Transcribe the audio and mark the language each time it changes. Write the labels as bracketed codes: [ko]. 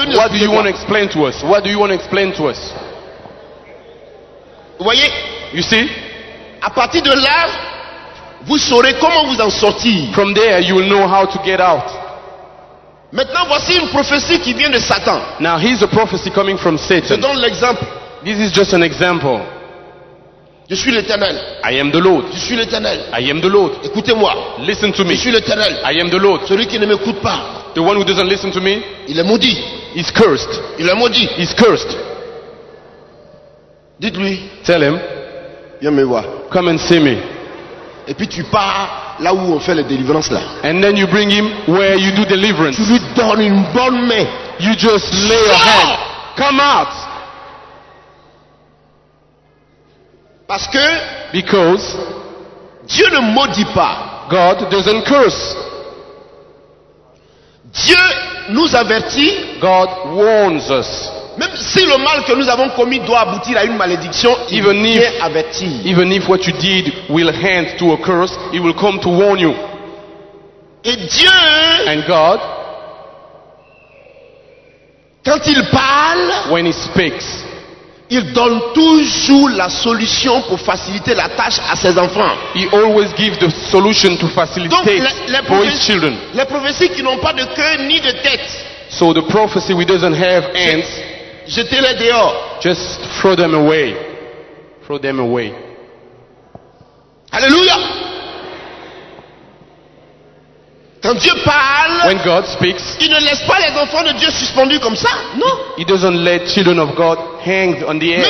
[en] What do you want to explain to us? What do you want to explain to us? [fr] Vous voyez? [en] You see? [fr] À partir de là, vous saurez comment vous en sortir. [en] From there, you will know how to get out. [fr] Maintenant, voici une prophétie qui vient de Satan. [en] Now, here's a prophecy coming from Satan. [fr] Je donne l'exemple. [en] This is just an example. [fr] Je suis l'Éternel. [en] I am the Lord. [fr] Je suis l'Éternel. [en] I am the Lord. [fr] Écoutez-moi. [en] Listen to me. [fr] Je suis l'Éternel. [en] I am the Lord. [fr] Celui qui ne m'écoute pas. [en] The one who doesn't listen to me. [fr] Il est maudit. [en] He's cursed. [fr] Il est maudit. [en] He's cursed. [fr] Dites-lui. [en] Tell him. [fr] Viens me voir. [en] Come and see me. [fr] Et puis tu pars là où on fait les délivrances là. [en] And then you bring him where you do deliverance. [fr] Tu lui donnes une bonne main. [en] You just lay your hand. Come out. [fr] Parce que [en] because [fr] Dieu ne maudit pas. [en] God doesn't curse. [fr] Dieu nous avertit. [en] God warns us. [fr] Même si le mal que nous avons commis doit aboutir à une malédiction, [en] even [fr] il vient avertir. [en] Even if what you did will end to a curse, he will come to warn you. [fr] Et Dieu [en] and God [fr] quand il parle [en] when he speaks, [fr] il donne toujours la solution pour faciliter la tâche à ses enfants. [en] He always gives the solution to facilitate for his children. [fr] Les prophéties qui n'ont pas de cœur ni de tête. [en] So the prophecy which doesn't have hands. [fr] Jetez-les dehors. [en] Just throw them away. Throw them away. Hallelujah. [fr] Quand Dieu parle, [en] when God speaks, [fr] il ne laisse pas les enfants de Dieu suspendus comme ça. Non. [en] He doesn't let children of God hang on the air